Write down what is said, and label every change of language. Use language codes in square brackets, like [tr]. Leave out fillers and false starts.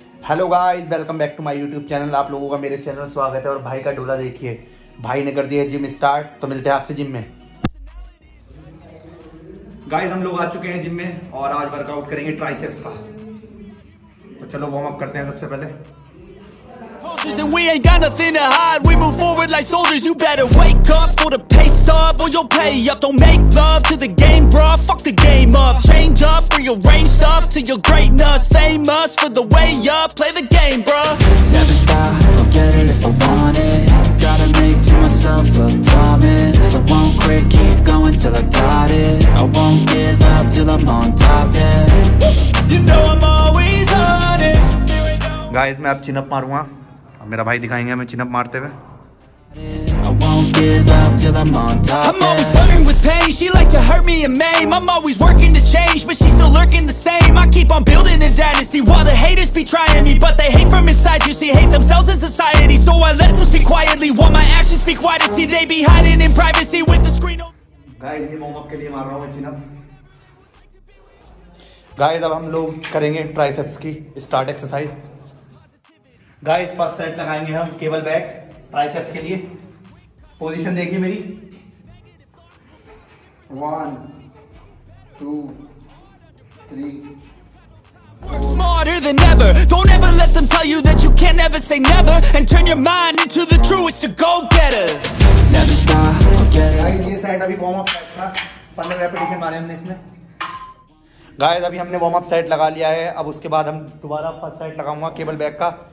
[en] Hello guys, welcome back to my YouTube channel. [hi] आप लोगों का मेरे चैनल में स्वागत है। और भाई का डोला देखिए, भाई ने कर दिया जिम स्टार्ट। तो मिलते हैं आपसे जिम में। गाइस, हम लोग आ चुके हैं जिम में और आज वर्कआउट करेंगे ट्राइसेप्स का। तो चलो वार्म अप करते हैं सबसे पहले। [en] And we ain't got nothing to hide. We move forward like soldiers. You better wake up for the pay stub or you'll pay up. Don't make love to the game, bruh. Fuck the game up. Change up, rearrange stuff to your greatness. Famous for the way up. Play the game, bruh. Never stop, don't get it if I want it. Gotta make to myself a promise. I won't quit, keep going till I got it. I won't give up till I'm on top, yeah. You know I'm always honest. [hi] Guys, मैं अब चिन up मारूंगा। मेरा भाई दिखाएंगे हमें चिन up मारते हुए। [en] I'm always burning with pain. She like to hurt me and maim. I'm always working to change, but she's still lurking the same. I keep on building a dynasty while the haters be trying me. But they hate from inside, you see, hate themselves in society. So I let them speak quietly while my actions speak wider. See, they be hiding in privacy with the screen. [hi] Guys, ye warm up ke liye maar raha hu chin up. Guys, अब हम लोग करेंगे triceps की start exercise. Guys, first set लगाएंगे हम cable back triceps के लिए। Position देखिए मेरी, [en] 1 2 3 Work smarter than ever. Don't ever let them tell you that you can't ever say never. And turn your mind into the truest to go getters. Never stop, forget it. [hi] Guys, ये set अभी warm up था, 15 repetition मारे हमने इसमें। Guys, अभी हमने warm up set लगा लिया है। अब उसके बाद हम दोबारा फर्स्ट सेट लगाऊंगा केबल बैक का।